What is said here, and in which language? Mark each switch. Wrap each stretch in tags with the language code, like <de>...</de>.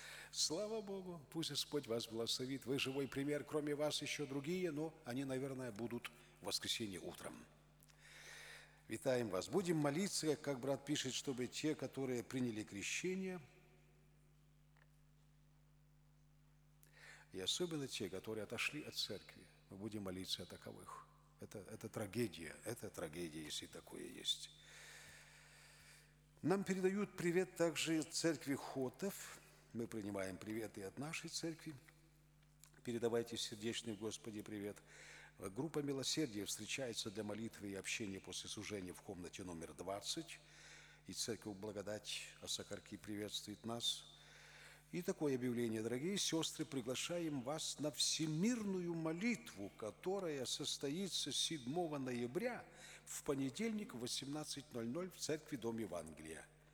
<ru>Слава Богу, пусть Господь вас благословит.</ru> <uk>Ви живий примір, кроме вас ще інші, але вони, мабуть, будуть</uk> <ru>в воскресенье утром.</ru> <uk>Вітаємо вас. Будемо молитися, як брат пише, щоб ті, які прийняли хрещення, і особливо ті, які відійшли від церкви, ми будемо молитися о такових. Це трагедія, це трагедія, якщо таке є. Нам передають привіт також церкві Хотов. Ми приймаємо привіт і від нашої церкви. Передавайте сердечний Господи привіт.</uk> <ru>Группа «Милосердие» встречается для молитвы и общения после служения в комнате номер 20. И церковь «Благодать» Осокорки приветствует нас. И такое объявление. Дорогие сестры, приглашаем вас на всемирную молитву, которая состоится 7 ноября в понедельник в 18:00 в церкви «Дом Евангелия».</ru>